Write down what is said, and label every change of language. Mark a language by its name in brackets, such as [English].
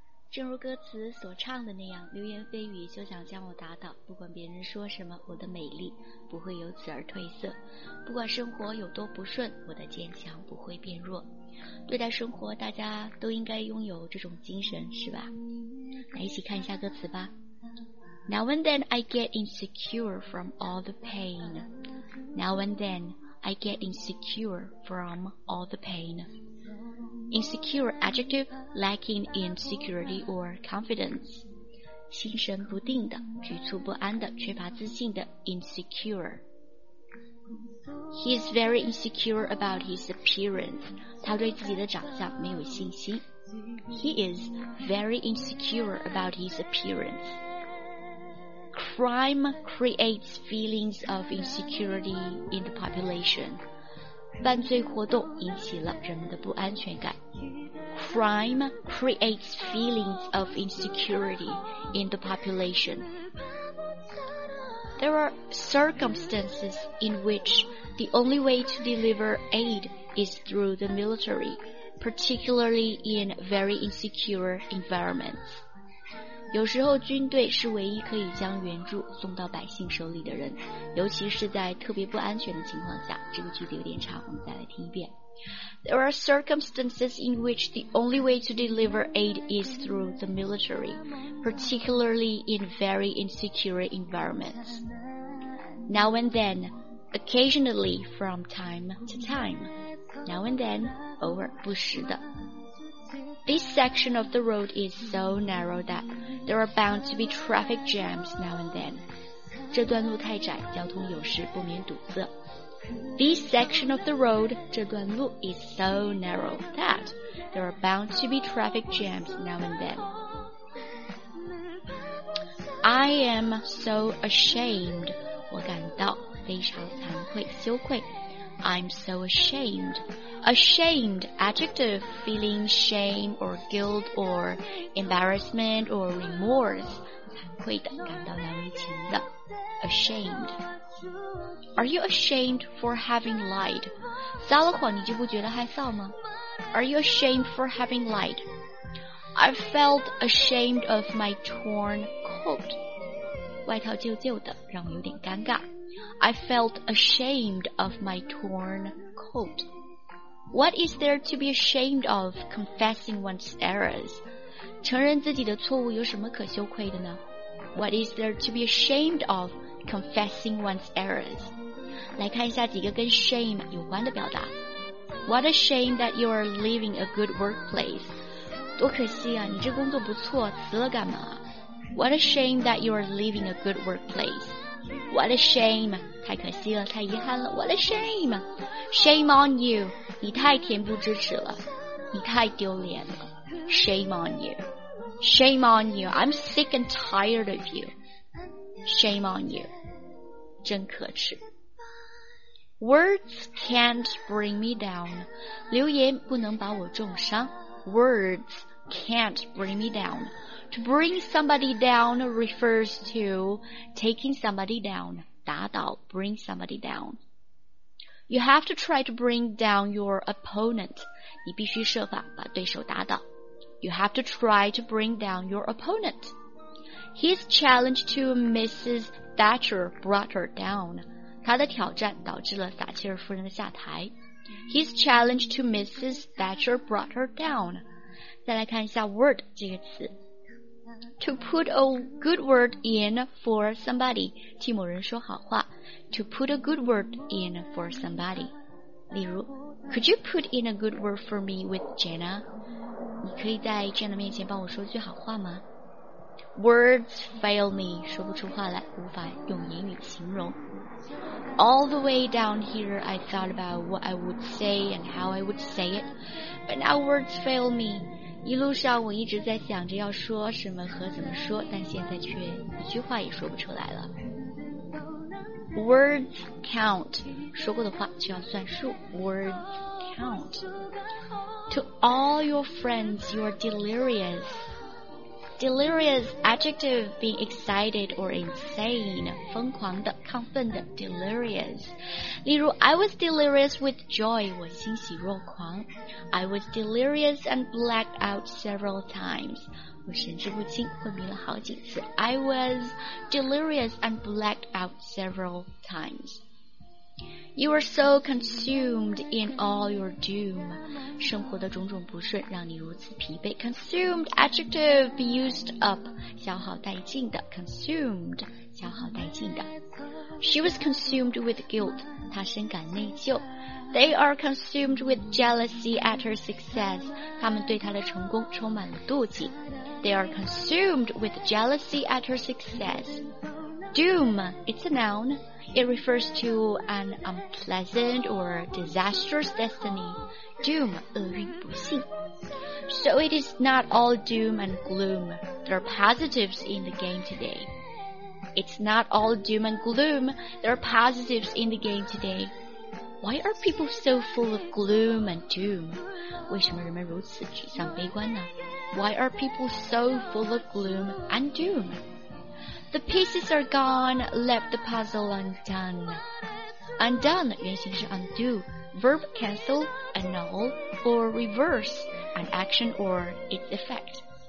[Chinese] 正如歌词所唱的那样，流言蜚语休想将我打倒，不管别人说什么，我的美丽不会由此而褪色，不管生活有多不顺，我的坚强不会变弱。对待生活，大家都应该拥有这种精神，是吧？来一起看一下歌词吧。 [English] Now and then I get insecure from all the pain. Now and then I get insecure from all the pain. Insecure, adjective, lacking in security or confidence. [Chinese] 心神不定的，局促不安的，缺乏自信的， insecure. [English] He is very insecure about his appearance. [Chinese] 他对自己的长相没有信心。 [English] He is very insecure about his appearance. Crime creates feelings of insecurity in the population. [Chinese] 犯罪活动引起了人们的不安全感。 [English] Crime creates feelings of insecurity in the population. There are circumstances in which the only way to deliver aid is through the military, particularly in very insecure environments. [Chinese] 有时候军队是唯一可以将援助送到百姓手里的人，尤其是在特别不安全的情况下。这个句子有点长，我们再来听一遍。 [English] There are circumstances in which the only way to deliver aid is through the military, particularly in very insecure environments. Now and then, occasionally from time to time. Now and then, [Chinese] 偶尔不时的。 [English] This section of the road is so narrow that there are bound to be traffic jams now and then. [Chinese] 这段路太窄，交通有时不免堵塞。 [English] This section of the road, [Chinese] 这段路 [English] is so narrow that there are bound to be traffic jams now and then. I am so ashamed, [Chinese] 我感到非常惭愧羞愧。 [English] I'm so ashamed. Ashamed, adjective, feeling shame or guilt or embarrassment or remorse. [Chinese] 惭愧的，感到难为情的。Ashamed. [English] Are you ashamed for having lied? [Chinese] 撒了谎你就不觉得害臊吗？ [English] Are you ashamed for having lied? I felt ashamed of my torn coat. [Chinese] 外套旧旧的，让我有点尴尬。 [English] I felt ashamed of my torn coat. What is there to be ashamed of confessing one's errors? [Chinese] 承认自己的错误有什么可羞愧的呢？ [English] What is there to be ashamed of? Confessing one's errors. [Chinese] 来看一下几个跟 shame 有关的表达。 [English] What a shame that you are leaving a good workplace. [Chinese] 多可惜啊，你这工作不错，辞了干嘛？ [English] What a shame that you are leaving a good workplace. What a shame. [Chinese] 太可惜了，太遗憾了。 [English] What a shame. Shame on you. [Chinese] 你太恬不知耻了，你太丢脸了。 [English] Shame on you. Shame on you. I'm sick and tired of you. Shame on you. [Chinese] 真可耻。 [English] Words can't bring me down. [Chinese] 流言不能把我重伤。 [English] Words can't bring me down. To bring somebody down refers to taking somebody down. [Chinese] 打倒 [English] bring somebody down. You have to try to bring down your opponent. [Chinese] 你必须设法把对手打倒。 [English] You have to try to bring down your opponent. His challenge to Mrs. Thatcher brought her down. [Chinese] 他的挑战导致了撒切尔夫人的下台。 [English] His challenge to Mrs. Thatcher brought her down. [Chinese] 再来看一下 word 这个词。 [English] To put a good word in for somebody. [Chinese] 替某人说好话。 [English] To put a good word in for somebody. [Chinese] 例如 [English] Could you put in a good word for me with Jenna? [Chinese] 你可以在 Jenna 面前帮我说句好话吗？ [English] Words fail me, [Chinese] 说不出话来，无法用言语形容。 [English] All the way down here, I thought about what I would say and how I would say it, but now words fail me. [Chinese] 一路上我一直在想着要说什么和怎么说，但现在却一句话也说不出来了。 [English] Words count, [Chinese] 说过的话就要算数。 [English] Words count. To all your friends, you are delirious. Delirious, adjective, being excited or insane, [Chinese] 疯狂的，亢奋的， [English] delirious. [Chinese] 例如 [English] I was delirious with joy, [Chinese] 我欣喜若狂。 [English] I was delirious and blacked out several times, [Chinese] 我神志不清，昏迷了好几次。 [English] I was delirious and blacked out several times. You are so consumed in all your doom. [Chinese] 生活的种种不顺让你如此疲惫。 [English] Consumed, adjective, be used up. [Chinese] 消耗殆尽的。 [English] Consumed, [Chinese] 消耗殆尽的。 [English] She was consumed with guilt. [Chinese] 她深感内疚。 [English] They are consumed with jealousy at her success. [Chinese] 他们对她的成功充满了妒忌。 [English] They are consumed with jealousy at her success. Doom, it's a noun. It refers to an unpleasant or disastrous destiny. Doom, [Chinese] 厄运不幸。 [English] So it is not all doom and gloom. There are positives in the game today. It's not all doom and gloom. There are positives in the game today. Why are people so full of gloom and doom? [Chinese] 为什么人们如此沮丧悲观呢？ [English] Why are people so full of gloom and doom? The pieces are gone, left the puzzle undone. Undone, [Chinese] 原形是 [English] undo, verb cancel, annul, or reverse, an action or its effect.